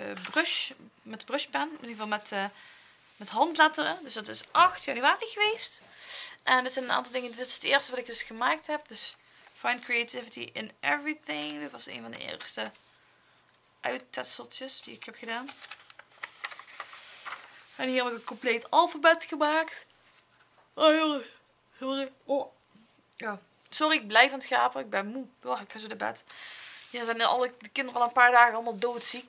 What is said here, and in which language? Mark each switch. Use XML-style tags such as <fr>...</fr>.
<nl>brush. Met de brushpen. In ieder geval met handletteren. Dus dat is 8 januari geweest. En dit zijn een aantal dingen. Dit is het eerste wat ik dus gemaakt heb. Dus</nl> <en>find creativity in everything.</en> <nl>Dit was een van de eerste uittesteltjes die ik heb gedaan. En hier heb ik een compleet alfabet gemaakt. Oh, sorry. Oh. Ja. Sorry, ik blijf aan het gapen. Ik ben moe. Oh, ik ga zo naar bed. Hier zijn alle de kinderen al een paar dagen allemaal doodziek.</nl>